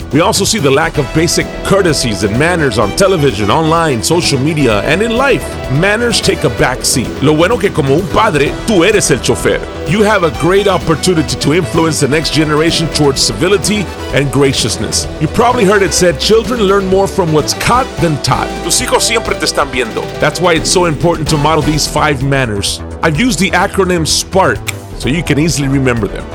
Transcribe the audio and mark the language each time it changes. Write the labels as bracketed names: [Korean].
[English] We also see the lack of basic courtesies and manners on television, online, social media, and in life. Manners take a backseat. [Spanish] Lo bueno que como un padre, tú eres el chofer. [English] You have a great opportunity to influence the next generation towards civility and graciousness. You probably heard it said, children learn more from what's caught than taught. [Spanish] Tus hijos siempre te están viendo. [English] That's why it's so important to model these five manners. I've used the acronym SPARK so you can easily remember them.